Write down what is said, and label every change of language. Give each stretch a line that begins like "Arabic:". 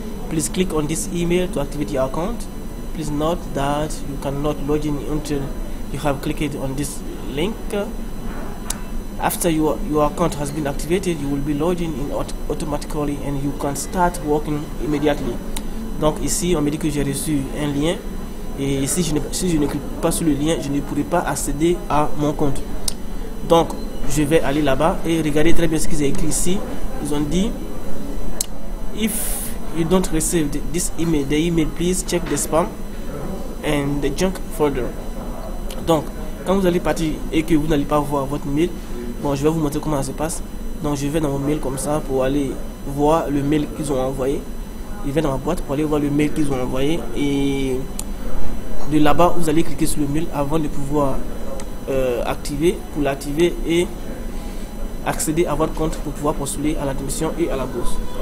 English: Please click on this email to activate your account. Please note that you cannot log in until you have clicked on this link. After your account has been activated, you will be logging in automatically and you can start working immediately.
French: Donc ici, on me dit que j'ai reçu un lien. Et ici, si je ne clique pas sur le lien, je ne pourrai pas accéder à mon compte. Donc, je vais aller là-bas et regarder très bien ce qu'ils ont écrit ici. Ils ont dit,
English: if you don't receive this email, the email, please check the spam and the junk folder.
French: Donc, quand vous allez partir et que vous n'allez pas voir votre mail, bon, je vais vous montrer comment ça se passe. Donc, je vais dans mon mail comme ça pour aller voir le mail qu'ils ont envoyé. Je vais dans ma boîte pour aller voir le mail qu'ils ont envoyé. Et de là-bas, vous allez cliquer sur le mail avant de pouvoir activer, pour l'activer et accéder à votre compte pour pouvoir postuler à l'admission et à la bourse.